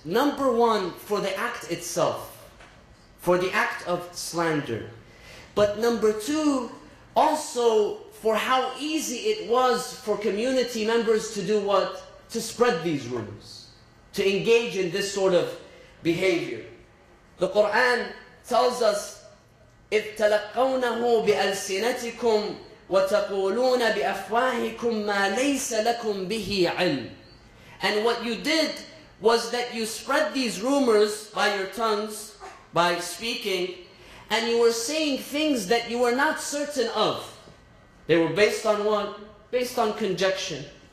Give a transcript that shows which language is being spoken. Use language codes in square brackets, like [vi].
[en] Number one, for the act itself. For the act of slander. But number two, also for how easy it was for community members to do what? To spread these rumors, to engage in this sort of behavior. The Quran tells us, [ar] إِذْ تَلَقَّوْنَهُ بِأَلْسِنَتِكُمْ وَتَقُولُونَ بِأَفْوَاهِكُمْ مَا لَيْسَ لَكُمْ بِهِ عِلْمٍ. [en] And what you did was that you spread these rumors by your tongues, by speaking, and you were saying things that you were not certain of. They were based on what? Based on conjecture.